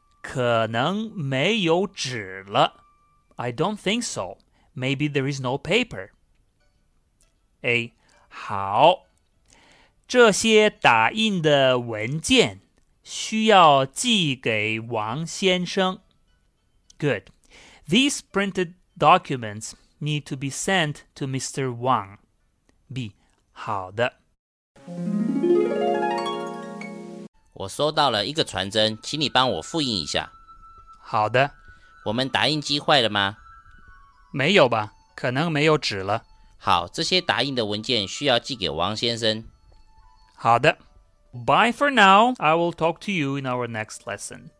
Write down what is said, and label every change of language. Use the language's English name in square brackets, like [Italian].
[Chinese] 可能没有纸了。 [English] I don't think so. Maybe there is no paper. A. [Chinese] 好。这些打印的文件需要寄给王先生。 [English] Good. These printed documents need to be sent to Mr. Wang. B. [Chinese] 好的。我收到了一个传真，请你帮我复印一下。好的。我们打印机坏了吗？没有吧，可能没有纸了。好，这些打印的文件需要寄给王先生。好的。 [English] Bye for now. I will talk to you in our next lesson.